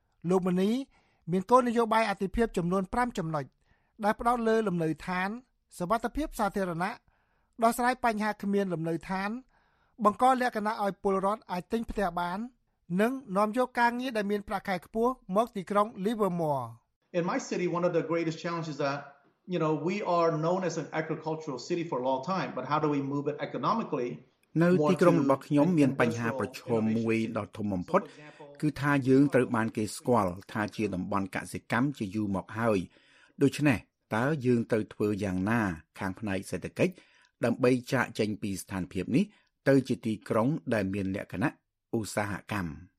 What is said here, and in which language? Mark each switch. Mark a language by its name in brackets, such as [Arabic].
[Khmer] លោកមនីមានគោលនយោបាយអាទិភាពចំនួន5ចំណុចដែលផ្ដោតលើលំនៅឋានសវត្ថិភាពសាធារណៈដោះស្រាយបញ្ហាគ្មានលំនៅឋានបង្កលក្ខណៈឲ្យពលរដ្ឋអាចទិញផ្ទះបាននិងនាំយកការងារដែលមានប្រាក់ខែខ្ពស់មកទីក្រុង Livermore [English] In my city one of the greatest challenges that you know we are known as an agricultural city for a long time but how do we move it economically [Khmer] នៅទីក្រុងរបស់ខ្ញុំមានបញ្ហាប្រឈមមួយដ៏ធំបំផុតគឺថាយើងត្រូវបានគេស្គាល់ថាជាតំបន់កសិកម្មជាយូរមកហើយដូច្នេះតើយើងត្រូវធ្វើយ៉ាងណាខាងផ្នែកសេដ្ឋកិច្ចដើម្បីចាកចេញពីស្ថានភាពនេះទៅជាទីក្រុងដែលមានលក្ខណៈឧស្សាហកម្ម